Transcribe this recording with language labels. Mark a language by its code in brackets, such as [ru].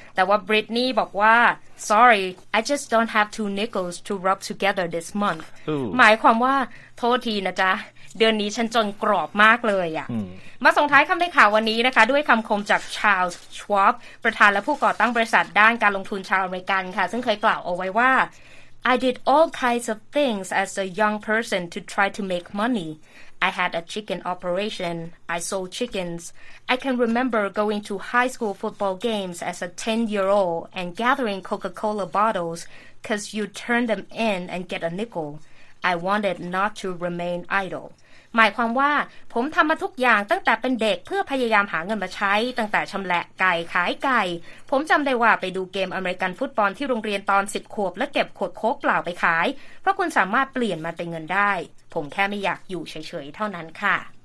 [th] แต่ว่าบริตนีย์บอกว่า [en] sorry I just don't have two nickels to rub together this month [th] หมายความว่าโทษทีนะจ๊ะเดือนนี้ฉันจนกรอบมากเลยอ่ะมาส่งท้ายคำในข่าววันนี้นะคะด้วยคำคมจากชาลส์ชวอบประธานและผู้ก่อตั้งบริษัทด้านการลงทุนชาวอเมริกันค่ะซึ่งเคยกล่าวเอาไว้ว่า [en] I did all kinds of things as a young person to try to make money. I had a chicken operation. I sold chickens. I can remember going to high school football games as a 10-year-old and gathering Coca-Cola bottles because you turn them in and get a nickel. I wanted not to remain idle. [th] หมายความว่าผมทำมาทุกอย่างตั้งแต่เป็นเด็กเพื่อพยายามหาเงินมาใช้ตั้งแต่ชำแหละไก่ขายไก่ผมจำได้ว่าไปดูเกมอเมริกันฟุตบอลที่โรงเรียนตอน10ขวบและเก็บขวดโค้กเปล่าไปขายเพราะคุณสามารถเปลี่ยนมาเป็นเงินได้ผมแค่ไม่อยากอยู่เฉยๆเท่านั้นค่ะ